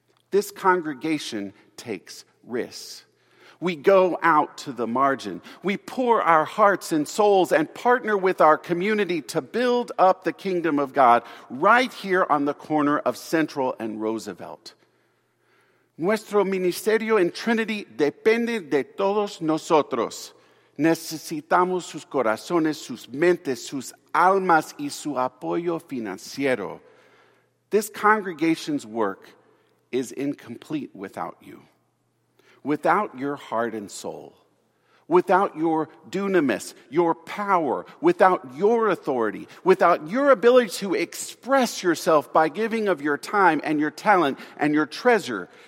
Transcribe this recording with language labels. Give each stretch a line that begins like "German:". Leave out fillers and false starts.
English: This congregation takes risks. We go out to the margin. We pour our hearts and souls and partner with our community to build up the kingdom of God right here on the corner of Central and Roosevelt.
Spanish: Nuestro ministerio en Trinity depende de todos nosotros. Necesitamos sus corazones, sus mentes, sus almas y su apoyo financiero.
English: This congregation's work is incomplete without you, without your heart and soul, without your dunamis, your power, without your authority, without your ability to express yourself by giving of your time and your talent and your treasure.